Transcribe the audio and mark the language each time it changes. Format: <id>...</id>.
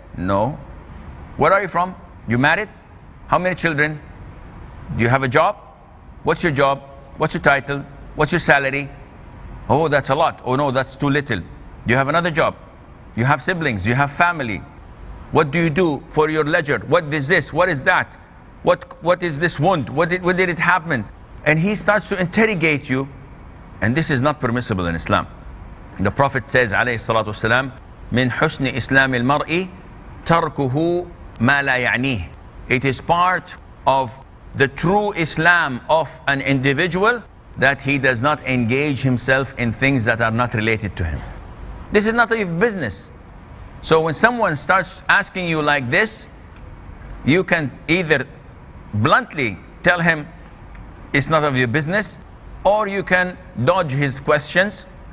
<en>No. Where are you from? You married? How many children? Do you have a job? What's your job? What's your title? What's your salary? Oh, that's a lot. Oh no, that's too little. Do you have another job? You have siblings? You have family? What do you do for your leisure? What is this? What is that? What is this wound? What did it happen? And he starts to interrogate you. And this is not permissible in Islam. The Prophet says,</en> <ar>alayhi salatu wasalam, مِنْ حُسْنِ إِسْلَامِ الْمَرْءِ تَرْكُهُ مَا لَا يَعْنِيهِ.</ar> <en>It is part of the true Islam of an individual that he does not engage himself in things that are not related to him. This is not your business. So when someone starts asking you like this, you can either bluntly tell him it's not of your business, or you can dodge his questions.</en>